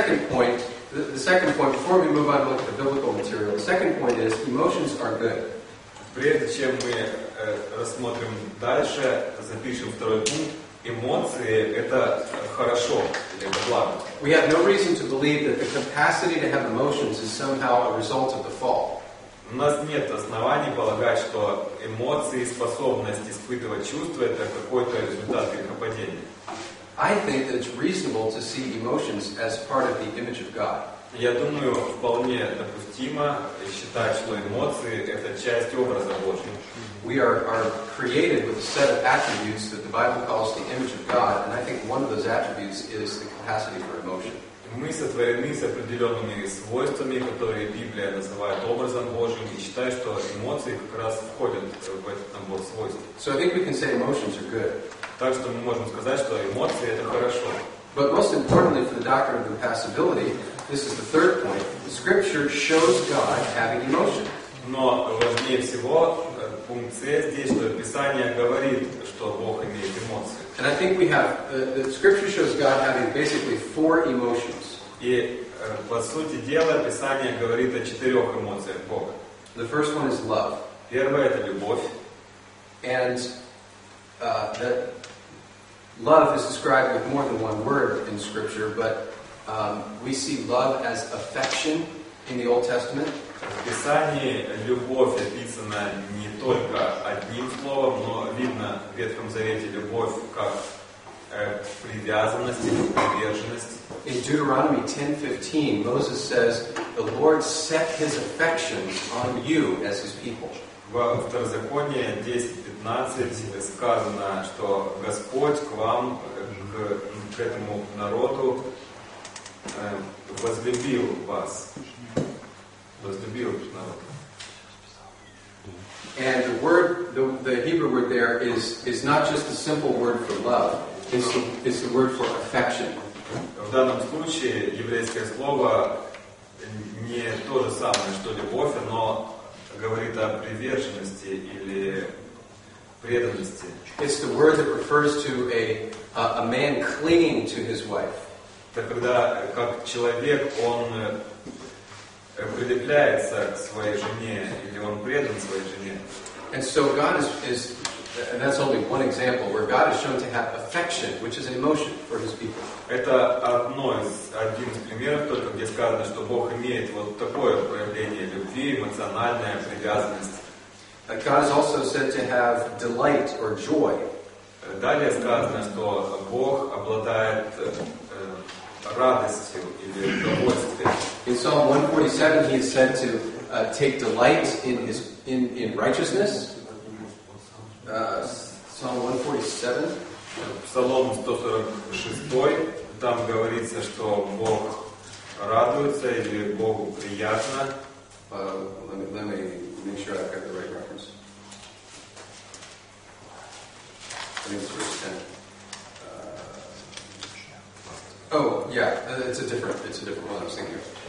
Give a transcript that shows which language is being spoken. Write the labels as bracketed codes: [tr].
[en] The second point, before we move on to look at the biblical material, the second point is, emotions are good. [ru] Прежде чем мы рассмотрим дальше, запишем второй пункт. Эмоции — это хорошо, это благо. [en] We have no reason to believe that the capacity to have emotions is somehow a result of the fall. [ru] У нас нет оснований полагать, что эмоции, способность испытывать чувства — это какой-то результат грехопадения. [en] I think that it's reasonable to see emotions as part of the image of God. [ru] Я думаю, вполне допустимо считать, что эмоции — это часть образа Божьего. [en] We are created with a set of attributes that the Bible calls the image of God, and I think one of those attributes is the capacity for emotion. [ru] Мы сотворены с определенными свойствами, которые Библия называет образом Божьим, и считаю, что эмоции как раз входят в этот набор свойств. [en] So I think we can say emotions are good. [ru] Так что мы можем сказать, что эмоции — это хорошо. [en] But most importantly for the doctrine of impassibility, this is the third point. The scripture shows God having emotion. [ru] Но важнее всего пункт С здесь, что Писание говорит, что Бог имеет эмоции. [en] And I think we have the scripture shows God having basically four emotions. [ru] И по сути дела Писание говорит о четырех эмоциях Бога. [en] The first one is love. [ru] Первое — это любовь. [en] And that love is described with more than one word in scripture, but we see love as affection in the Old Testament. [ru] В Писании любовь описана не только одним словом, но видно в Ветхом Завете любовь как привязанность или приверженность. [en] In Deuteronomy 10:15, Moses says, "The Lord set his affection on you as his people." [ru] Во Второзаконии 10:15 сказано, что Господь к вам, к этому народу, возлюбил вас. Возлюбил народ. [en] And the word, the Hebrew word there is not just a simple word for love, it's the word for affection. [ru] В данном случае еврейское слово не то же самое, что любовь, но говорит о приверженности или преданности. [en] It's the word that refers to a man clinging to his wife. [ru] Это когда как человек он прилепляется к своей жене или он предан своей жене. [en] And so God is and that's only one example where God is shown to have affection, which is an emotion for his people. [ru] Это один из примеров, только где сказано, что Бог имеет вот такое проявление любви, эмоциональная привязанность. [en] God is also said to have delight or joy. [ru] Далее сказано, что Бог обладает радостью или удовольствием. [en] In Psalm 147, he is said to take delight in righteousness. Psalm 147. Psalm 146. [ru] Там говорится, что Бог радуется или Богу приятно. [en] Let me make sure I've got the right reference. I think it's verse 10. It's a different one I was thinking of.